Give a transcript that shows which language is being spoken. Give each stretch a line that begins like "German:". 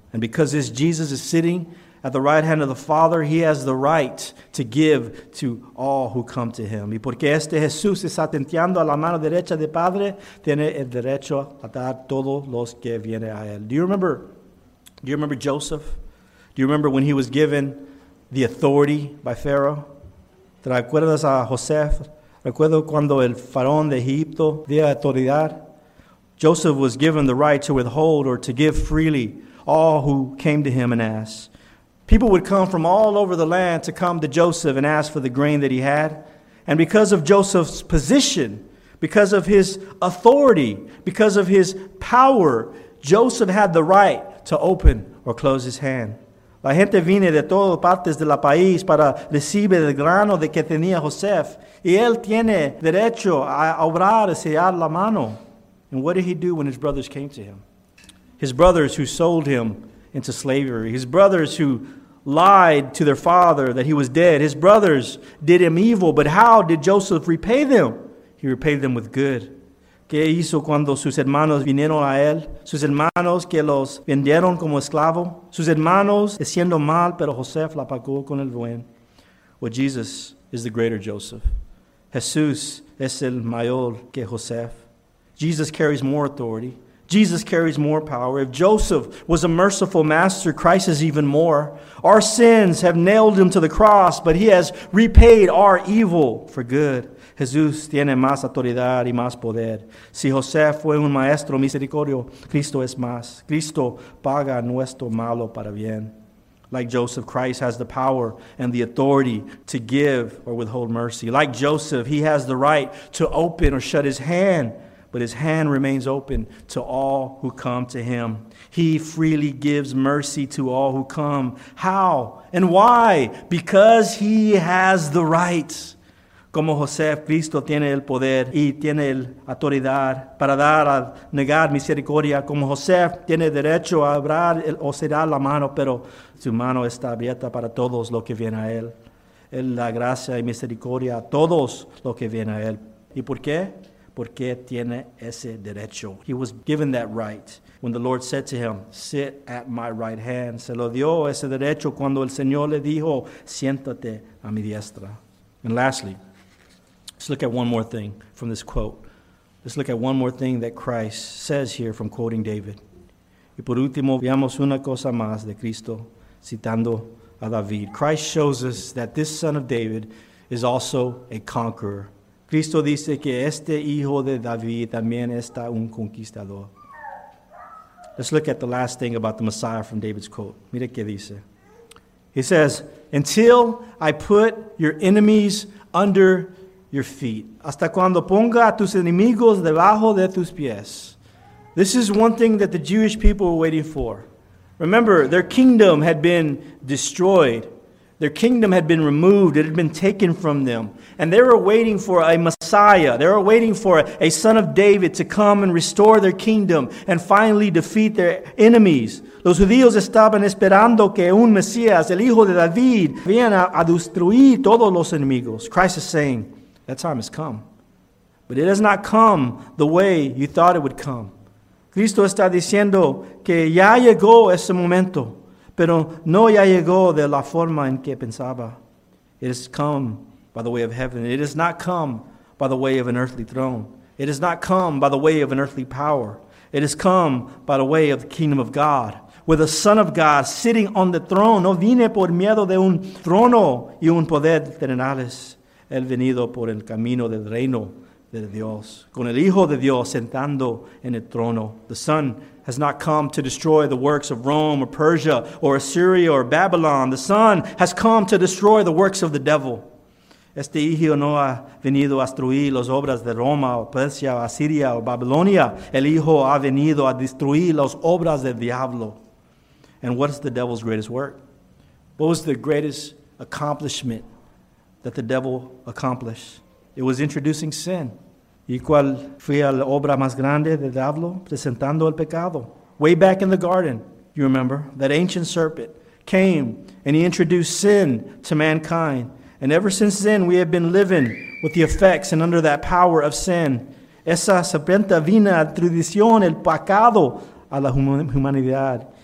English: And because this Jesus is sitting at the right hand of the Father, he has the right to give to all who come to him.
Spanish: Y porque este Jesús está sentado a la mano derecha del Padre, tiene el derecho a dar todos los que vienen a él.
English: Do you remember Joseph? Do you remember when he was given the authority by Pharaoh?
Spanish: ¿Te recuerdas a José? Recuerdo cuando el faraón de Egipto dio autoridad.
English: Joseph was given the right to withhold or to give freely all who came to him and asked. People would come from all over the land to come to Joseph and ask for the grain that he had. And because of Joseph's position, because of his authority, because of his power, Joseph had the right to open or close his hand.
Spanish: La gente viene de todas partes del país para recibir el grano de que tenía José. Y él tiene derecho a obrar y sellar la mano.
English: And what did he do when his brothers came to him? His brothers who sold him into slavery. His brothers who lied to their father that he was dead. His brothers did him evil. But how did Joseph repay them? He repaid them with good.
Spanish: ¿Qué hizo cuando sus hermanos vinieron a él? Sus hermanos que los vendieron como esclavo. Sus hermanos haciendo mal, pero José la pagó con el buen.
English: Well, Jesus is the greater Joseph.
Spanish: Jesús es el mayor que José.
English: Jesus carries more authority. Jesus carries more power. If Joseph was a merciful master, Christ is even more. Our sins have nailed him to the cross, but he has repaid our evil for good.
Spanish: Jesús tiene más autoridad y más poder. Si José fue un maestro misericordio, Cristo es más. Cristo paga nuestro malo para bien.
English: Like Joseph, Christ has the power and the authority to give or withhold mercy. Like Joseph, he has the right to open or shut his hand. But his hand remains open to all who come to him. He freely gives mercy to all who come. How and why? Because he has the right.
Spanish: Como José, Cristo tiene el poder y tiene la autoridad para dar a negar misericordia. Como José tiene derecho a abrir o cerrar la mano, pero su mano está abierta para todos los que vienen a él. Él da gracia y misericordia a todos los que vienen a él. ¿Y por qué? Porque tiene ese derecho.
English: He was given that right when the Lord said to him, sit at my right hand.
Spanish: Se lo dio ese derecho cuando el Señor le dijo, siéntate a mi diestra.
English: And lastly, let's look at one more thing from this quote. Let's look at one more thing that Christ says here from quoting David.
Spanish: Y por último, veamos una cosa más de Cristo citando a David.
English: Christ shows us that this son of David is also a conqueror.
Spanish: Cristo dice que este hijo de David también está un conquistador.
English: Let's look at the last thing about the Messiah from David's quote.
Spanish: Mira qué dice.
English: He says, until I put your enemies under your feet.
Spanish: Hasta cuando ponga a tus enemigos debajo de tus pies.
English: This is one thing that the Jewish people were waiting for. Remember, their kingdom had been destroyed. Their kingdom had been removed. It had been taken from them. And they were waiting for a Messiah. They were waiting for a son of David to come and restore their kingdom and finally defeat their enemies.
Spanish: Los judíos estaban esperando que un Mesías, el hijo de David, viera a destruir todos los enemigos.
English: Christ is saying, that time has come. But it has not come the way you thought it would come.
Spanish: Cristo está diciendo que ya llegó ese momento. Pero no ya llegó de la forma en que pensaba.
English: It has come by the way of heaven. It has not come by the way of an earthly throne. It has not come by the way of an earthly power. It has come by the way of the kingdom of God, with the Son of God sitting on the throne.
Spanish: No vine por miedo de un trono y un poder terrenales. El venido por el camino del reino de Dios. Con el Hijo de Dios sentando en el trono.
English: The Son has not come to destroy the works of Rome or Persia or Assyria or Babylon. The Son has come to destroy the works of the devil.
Spanish: Este hijo no ha venido a destruir las obras de Roma o Persia o Asiria o Babilonia. El hijo ha venido a destruir las obras del diablo.
English: And what is the devil's greatest work? What was the greatest accomplishment that the devil accomplished? It was introducing sin.
Spanish: ¿Y cuál fue la obra más grande del diablo? Presentando el pecado.
English: Way back in the garden, you remember, that ancient serpent came and he introduced sin to mankind. And ever since then, we have been living with the effects and under that power of sin.
Spanish: Esa serpiente vino a introducir el pecado a la humanidad.